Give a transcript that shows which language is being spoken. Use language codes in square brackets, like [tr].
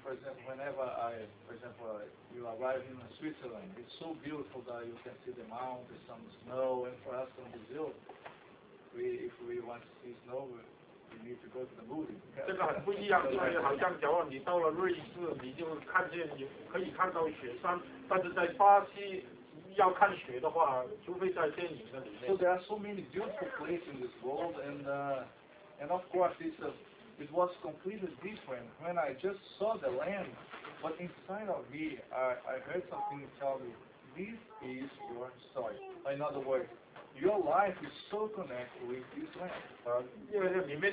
[en] For example, whenever I, for example, you arrive in Switzerland, it's so beautiful that you can see the mountains, some snow. And for us in Brazil, if we want to see snow, we need to go to the movie. [zh] 这个很不一样，就是好像假如你到了瑞士，你就看见有可以看到雪山，但是在巴西要看雪的话，除非在电影的里面。 [en] So there are so many beautiful places in this world, and of course it's a It was completely different when I just saw the land, but inside of me, I heard something tell me, this is your story. In other words, your life is so connected with this land.